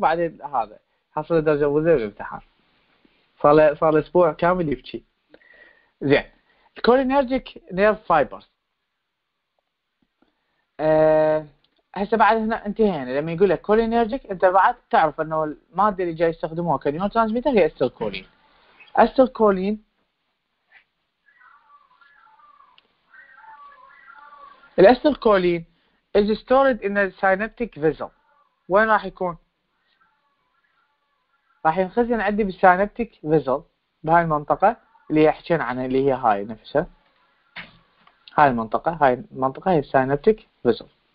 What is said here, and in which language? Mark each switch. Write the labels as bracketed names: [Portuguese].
[Arabic] وبعدين هذا حصل درجه مزه بالامتحان، صار اسبوع كامل يبكي. زين الكولينرجيك نيرف فايبرز، هسه بعد هنا انتهينا. لما يقول لك كولينرجيك انت بعد تعرف انه الماده اللي جاي يستخدموها كنيورو ترانسميتر هي استيلكولين. [English] Acetylcholine الاستيلكولين is stored in the synaptic vessel. [Arabic] وين راح يكون؟ راح ينخزن عندي بالسينابتيك فيزل، بهاي المنطقة اللي حكينا عنها اللي هي هاي نفسها. هاي المنطقة هي السينابتيك فيزل.